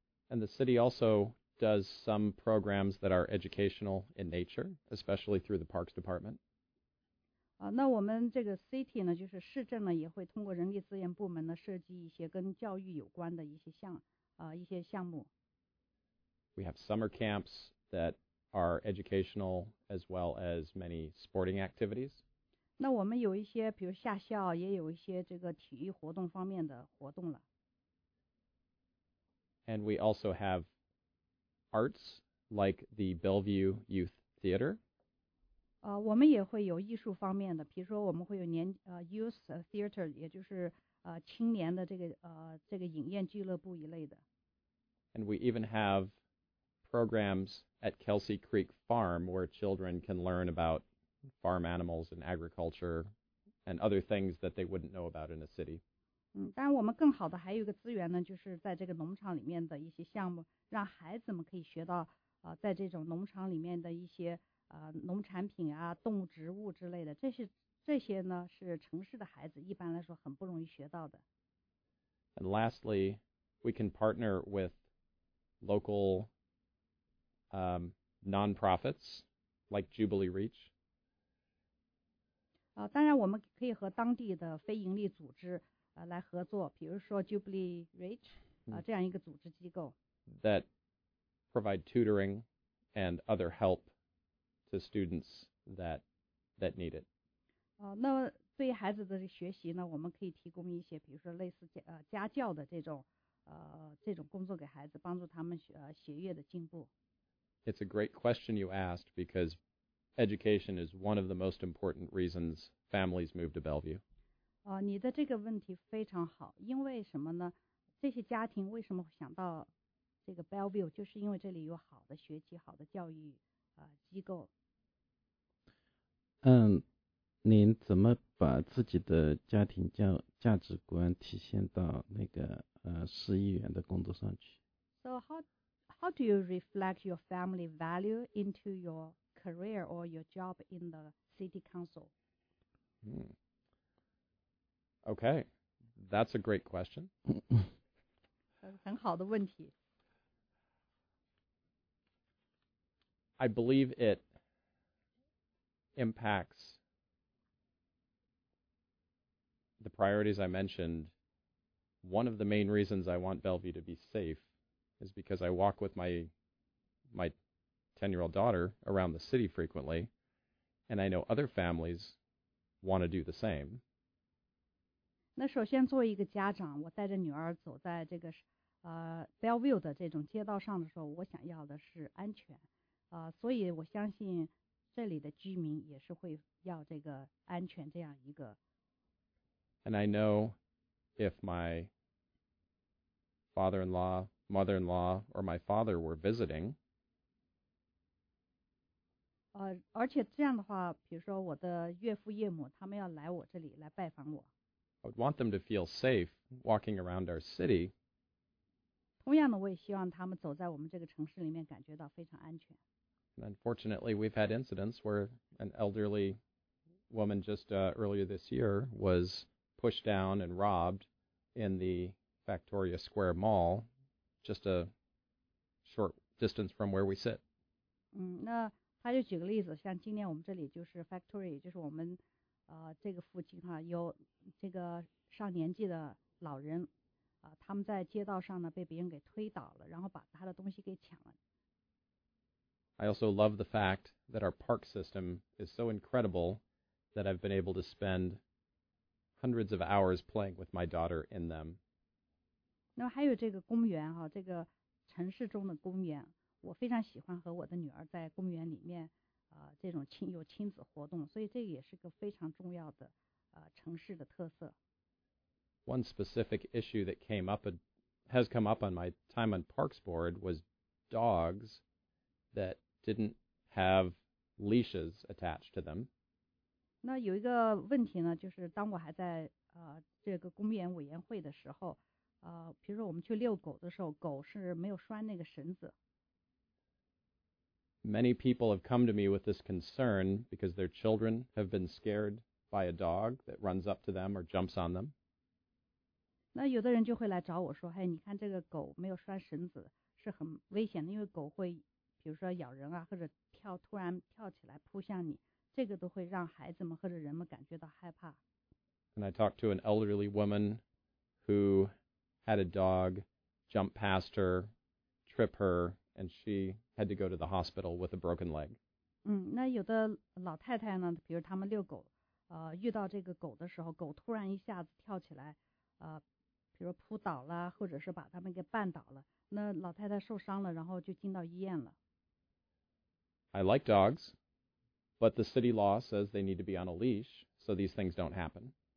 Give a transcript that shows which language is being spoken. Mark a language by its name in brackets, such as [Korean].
[English] And the city also does some programs that are educational in nature, especially through the Parks Department. [Chinese] 那我们这个 city 呢，就是市政呢，也会通过人力资源部门呢，设计一些跟教育有关的一些项目。 [English] We have summer camps that are educational as well as many sporting activities. [Chinese] 那我们有一些比如下校也有一些这个体育活动方面的活动了。 [English] And we also have arts like the Bellevue Youth Theater. [Chinese] 我们也会有艺术方面的，比如说我们会有Youth Theater, 也就是青年的这个影院俱乐部一类的。 [English] And we even have programs at Kelsey Creek Farm where children can learn aboutfarm animals and agriculture and other things that they wouldn't know about in a city. [Chinese] 但我们更好的还有一个资源呢，就是在这个农场里面的一些项目，让孩子们可以学到在这种农场里面的一些农产品啊动物植物之类的，这些呢是城市的孩子一般来说很不容易学到的。 [English] And lastly, we can partner with local nonprofits like Jubilee Reach. [Chinese] 当然我们可以和当地的非盈利组织来合作，比如说 Jubilee Reach 这样一个组织机构 [English] that provide tutoring and other help to students that need it. [Chinese] 那对于孩子的学习呢，我们可以提供一些比如说类似家教的这种工作给孩子，帮助他们学业的进步。 [English] It's a great question you asked becauseEducation is one of the most important reasons families move to Bellevue. [Chinese] 你的这个问题非常好，因为什么呢？这些家庭为什么想到这个 Bellevue， 就是因为这里有好的学习、好的教育机构。您怎么把自己的家庭价值观体现到那个市议员的工作上去。 [English] So how do you reflect your family value into your career or your job in the city council? Okay, that's a great question. [Chinese] 很好的问题。 [English] I believe it impacts the priorities I mentioned. One of the main reasons I want Bellevue to be safe is because I walk with my 10-year-old daughter around the city frequently, and I know other families want to do the same. [Chinese] 那首先作为一个家长，我带着女儿走在这个Bellevue 的这种街道上的时候，我想要的是安全。所以我相信这里的居民也是会要这个安全这样一个。 [English] And I know if my father-in-law, mother-in-law, or my father were visiting. [Chinese] 而且这样的话，比如说我的岳父岳母，他们要来我这里来拜访我。 [English] I would want them to feel safe walking around our city. [Chinese] 同样的，我也希望他们走在我们这个城市里面感觉到非常安全。 [English] And unfortunately, we've had incidents where an elderly woman just earlier this year was pushed down and robbed in the Factoria Square Mall, just a short distance from where we sit. [Chinese] 那他就举个例子，像今年我们这里就是 Factoria, 就是我们这个附近哈，有这个上年纪的老人，他们在街道上呢被别人给推倒了，然后把他的东西给抢了。 [English] I also love the fact that our park system is so incredible that I've been able to spend hundreds of hours playing with my daughter in them. [Chinese] 那还有这个公园哈，这个城市中的公园，我非常喜欢和我的女儿在公园里面，这种亲子活动，所以这个也是个非常重要的，城市的特色。 [English] One specific issue that has come up on my time on Parks Board was dogs. That didn't have leashes attached to them. [Chinese] 那有一个问题呢，就是当我还在这个公园委员会的时候，比如说我们去遛狗的时候，狗是没有拴那个绳子。 [English] Many people have come to me with this concern because their children have been scared by a dog that runs up to them or jumps on them. [Chinese] 那有的人就会来找我说，哎，你看这个狗没有拴绳子是很危险的，因为狗会。比如说咬人啊，或者突然跳起来扑向你，这个都会让孩子们或者人们感觉到害怕。 [English] And I talked to an elderly woman who had a dog jump past her, trip her, and she had to go to the hospital with a broken leg. [Chinese] 那有的老太太呢，比如他们遛狗，遇到这个狗的时候，狗突然一下子跳起来，比如扑倒了，或者是把他们给绊倒了，那老太太受伤了，然后就进到医院了。 [English] I like dogs, but the city law says they need to be on a leash, so these things don't happen.